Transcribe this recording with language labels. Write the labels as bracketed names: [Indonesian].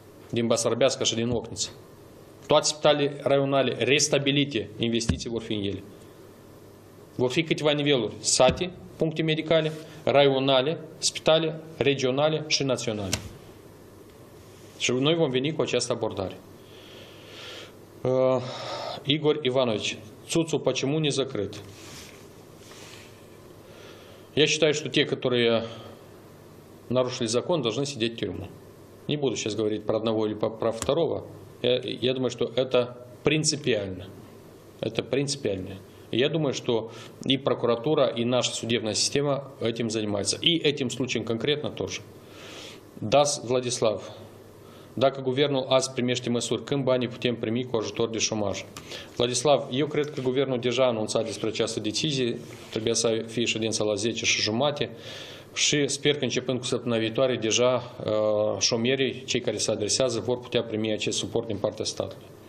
[Romanian] Din Basarabeasca și din Ocniță. Toate spitalele raionale restabilite, investiții vor fi în ele. Vor fi câteva niveluri. Sate, puncte medicale, raionale, spitale, regionale și naționale. Și noi vom veni cu această abordare. [Russian] Igor Ivanovich, Цуцу, почему не закрыт? Я считаю, что те, которые нарушили закон, должны сидеть в тюрьму. Не буду сейчас говорить про одного или про второго. Я думаю, что это принципиально. Это принципиально. Я думаю, что и прокуратура, и наша судебная система этим занимается. И этим случаем конкретно тоже. Дас Владислав. [Romanian] Dacă guvernul azi primește măsuri, când banii putem primi cu ajutor de șomaj? Vladislav, eu cred că guvernul deja a anunțat despre această decizie, trebuia să fie ședința la 10 și jumate și sper că începând cu săptămâna viitoare, deja șomierii, cei care se adresează, vor putea primi acest suport din partea statului.